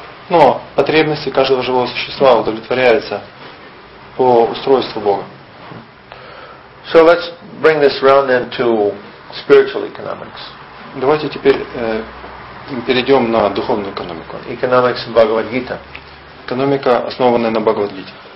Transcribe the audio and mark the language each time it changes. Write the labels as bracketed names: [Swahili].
[Russian] Но потребности каждого живого существа удовлетворяются по устройству Бога. [English] So let's bring this round then to spiritual economics. [Russian] Давайте теперь перейдем на духовную экономику. [English] Economics in Bhagavad Gita. [Russian] Экономика, основанная на Бхагавад Гите.